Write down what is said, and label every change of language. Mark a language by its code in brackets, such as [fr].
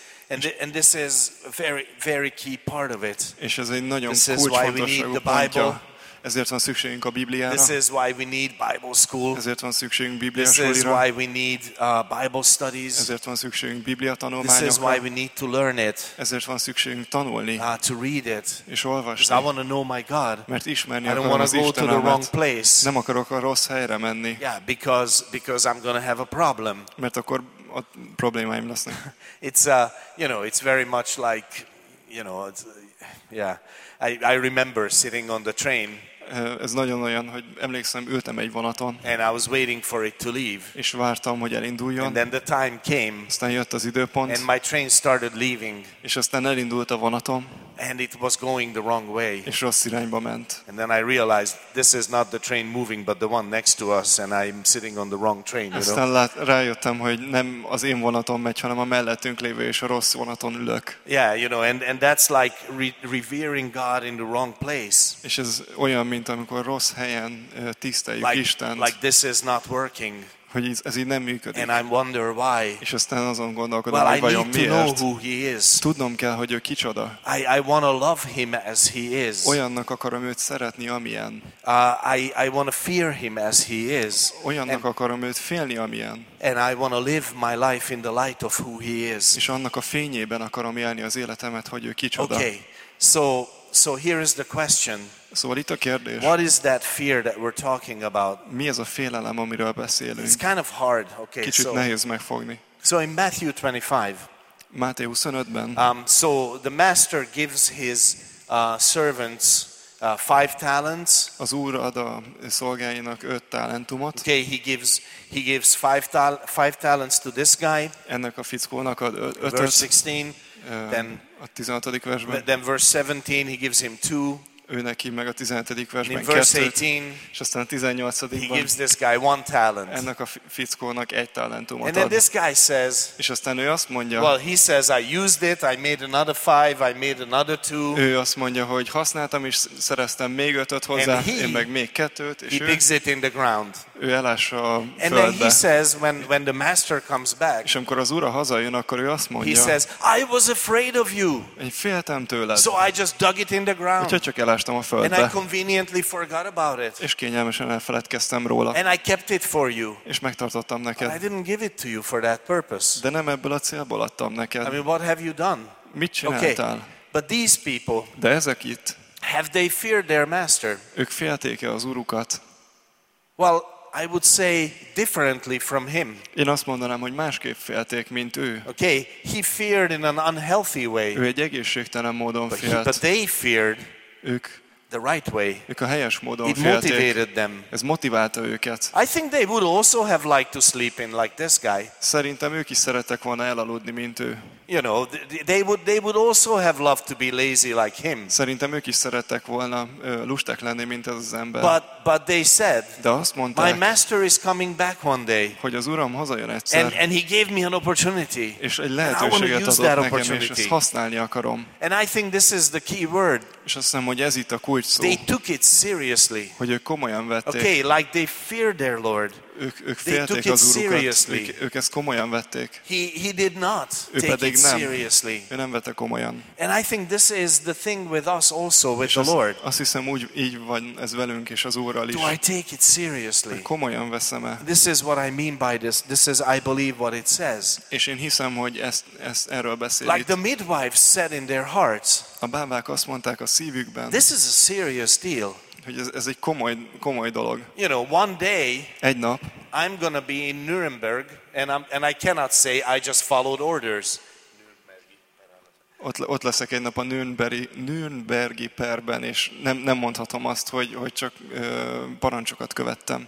[en] And this is a very very key part of it. [hu] És ez egy nagyon kulcsfontosságú pontja. Ezért van szükségünk a Bibliára. [en] This is why we need Bible school. [hu] Ezért van szükségünk Bibliás órára. [en] This is why we need Bible studies. [hu] Ezért van szükségünk Biblia tanulmányokra. [en] This is why we need to learn it. [hu] Ezért van szükségünk tanulni. [en] To read it. [hu] És olvasni. [en] Because I want to know my God. [hu] Mert ismerni akarom az Istenemet. [en] I don't want to go to the wrong place. [hu] Nem akarok a rossz helyre menni. [en] Yeah, because I'm gonna have a problem. [hu] Mert akkor a problémáim lesznek. [en] It's you know, it's very much like, you know, yeah. I remember sitting on the train. [hu] Ez nagyon olyan, hogy emlékszem, ültem egy vonaton. [en] And I was waiting for it to leave. [hu] És vártam, hogy elinduljon. [en] And then the time came. [hu] Aztán jött az időpont. [en] And my train started leaving. [hu] És aztán elindult a vonatom. [en] And it was going the wrong way. [hu] És rossz irányba ment. [en] And then I realized this is not the train moving, but the one next to us, and I'm sitting on the wrong train. [hu] Aztán rájöttem, hogy nem az én vonatom megy, hanem a mellettünk lévő és a rossz vonaton ülök. [en] Yeah, you know, and that's like revering God in the wrong place. [hu] És ez olyan, mint amikor rossz helyen tiszteljük [en] like, [hu] Istent. [en] Like this is not working. [hu] Hogy ez így nem működik. [en] And I wonder why. [hu] És aztán azon gondolkodom, hogy vajon miért. [en] Well, I need to know who he is. [hu] Tudnom kell, hogy ő kicsoda. [en] I want to love him as he is. [hu] Olyannak akarom őt szeretni, amilyen. [en] I want to fear him as he is. [hu] Olyannak akarom őt félni, amilyen. [en] And I want to live my life in the light of who he is. [hu] És annak a fényében akarom élni az életemet, hogy ő kicsoda. [en] Okay. So here is the question. [hu] Szóval itt a kérdés. [en] What is that fear that we're talking about? [hu] Mi ez a félelem, amiről beszélünk? [en] It's kind of hard. Okay, [hu] kicsit nehéz megfogni. [en] So in Matthew 25. [hu] Máté 25-ben. [en] So the master gives his servants 5 talents. [hu] Az úr ad a szolgáinak 5 talentumot. [en] Okay, he gives 5 talents to this guy. [hu] Ennek a fickónak ad 5-öt. [en] Verse 16. Then [hu] a 16. versben. [en] Then verse 17 he gives him 2. [hu] Ő neki meg a 17. versben [en] verse [hu] 18, kettőt, és aztán a 18. [en] He gives this guy 1 talent. [hu] Ennek a fickónak 1 talentumot [en] and then ad. This guy says, [hu] és aztán ő azt mondja, [en] well, he says, I used it, I made another 5, I made another 2. [hu] Ő azt mondja, hogy használtam és szereztem még 5-öt hozzá, [en] he, [hu] én meg még 2-öt, és [en] he digs it in the ground. [hu] Ő elássa a [en] and [hu] földbe. [en] Then he says, when the master comes back, [hu] és amikor az ura hazajön, akkor ő azt mondja, [en] he says, I was afraid of you. [hu] Én féltem tőled. [en] So I just dug it in the ground. [hu] Úgyhogy csak elássa. [en] And I conveniently forgot about it. [hu] És kényelmesen elfeledkeztem róla. [en] And I kept it for you. [hu] És megtartottam neked. [en] But I didn't give it to you for that purpose. [hu] De nem ebből a célból adtam neked. [en] I mean, what have you done? [hu] Mit csináltál? [en] Okay. But these people. [hu] De ezek itt. [en] Have they feared their master? [hu] Ők félték-e az urukat? [en] Well, I would say differently from him. [hu] Én azt mondanám, hogy másképp félték, mint ő. [en] Okay, he feared in an unhealthy way. [hu] Ő egy egészségtelen módon [en] but [hu] félt. [en] But they feared. [hu] Ők, [en] the right way. [hu] Ők a helyes módon [en] it motivated [hu] félték. [en] Them. [hu] Ez motiválta őket. [en] I think they would also have liked to sleep in like this guy. [hu] Szerintem ők is szerettek volna elaludni, mint ő. [en] You know, they would also have loved to be lazy like him. [hu] Szerintem ők is szerettek volna lusták lenni, mint ez az ember. [en] But they said, [hu] de azt mondták, [en] my master is coming back one day. [hu] Hogy az uram hazajön egyszer. [en] And he gave me an opportunity. [hu] És egy lehetőséget adott nekem, és ezt használni akarom. [en] And I think this is the key word. [hu] És azt hiszem, hogy ez itt a kulcs szó. [en] They took it seriously. [hu] Hogy ők komolyan vették. [en] Okay, like they feared their Lord. [hu] Ők félték az urukat. Ők ezt komolyan vették. [en] He did not take it seriously. [hu] Ő nem vette komolyan. [en] And I think this is the thing with us also with the Lord. [hu] Azt hiszem, úgy így van ez velünk és az Úrral is. [en] Do I take it seriously? [hu] Komolyan veszem-e? [en] This is what I mean by this. This is I believe what it says. [hu] És én hiszem, hogy ezt erről beszél. [en] Like the midwives said in their hearts. [hu] A bábák azt mondták a szívükben. [en] This is a serious deal. [hu] Hogy ez egy komoly dolog. [en] You know, one day, [hu] egy nap, [en] I'm gonna be in Nuremberg, and I cannot say I just followed orders. [hu] ott leszek egy nap a Nürnbergi perben, és nem mondhatom azt, hogy csak parancsokat követtem.